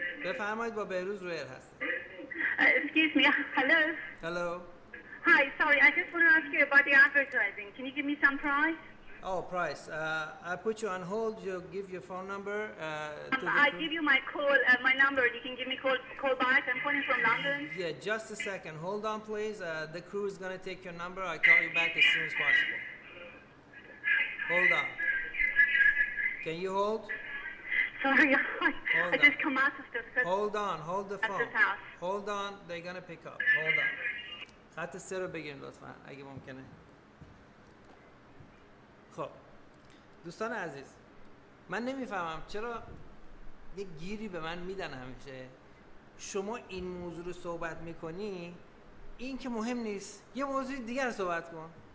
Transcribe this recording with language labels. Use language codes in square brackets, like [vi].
[fa] بفرمایید، با بهروز رویر هست. [en] Excuse me. Hello. Hi, sorry. I just want to ask you about the advertising. Can you give me some price? Oh, price. I put you on hold. You give your phone number. I give you my call, my number. You can give me call back. I'm calling from London. Yeah, just a second. Hold on, please. The crew is going to take your number. I call you back as soon as possible. Hold on. Can you hold? Sorry, hold on. I just come out of the phone. Hold on, hold the phone. Hold on, they're gonna pick up. Hold on. [fa] خط سه رو بگیرین لطفا اگه ممکنه. خب دوستان عزیز، من نمیفهمم چرا یه گیری به من میدن همیشه. شما این موضوع رو صحبت میکنی، این که مهم نیست، یه موضوع دیگر صحبت کن.